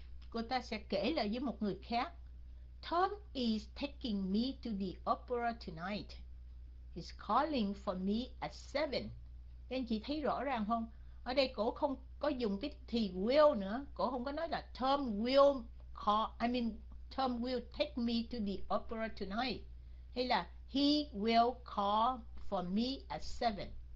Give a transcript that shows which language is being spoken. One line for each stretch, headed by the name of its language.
Vietnamese: Cô ta sẽ kể lại với một người khác.
English: Tom is taking me to the opera tonight. He's calling for me at 7.
Vietnamese: Anh chị thấy rõ ràng không? Ở đây cổ không có dùng cái thì will nữa. Cổ không có nói là
English: Tom will call, I mean Tom will take me to the opera tonight.
Vietnamese: Hay là
English: he will call for me at 7.